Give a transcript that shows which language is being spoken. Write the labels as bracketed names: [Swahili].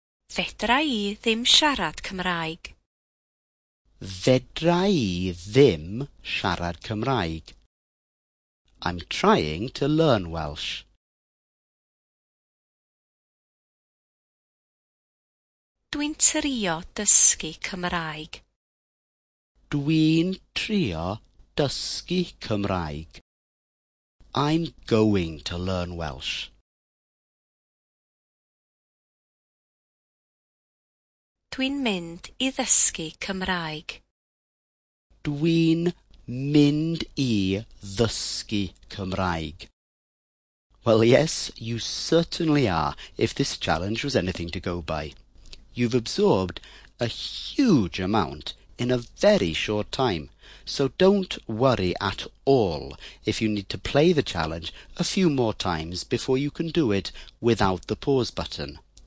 [Welsh] Fedra i ddim siarad Cymraeg. Fedra i ddim siarad Cymraeg. [English] I'm trying to learn Welsh. [Welsh] Dwi'n trio dysgu Cymraeg. Dwi'n trio dysgu Cymraeg. [English] I'm going to learn Welsh. [Welsh] Dwi'n mynd i ddysgu Cymraeg. Dwi'n mynd i ddysgu Cymraeg. [English] Well, yes, you certainly are, if this challenge was anything to go by. You've absorbed a huge amount in a very short time, so don't worry at all if you need to play the challenge a few more times before you can do it without the pause button.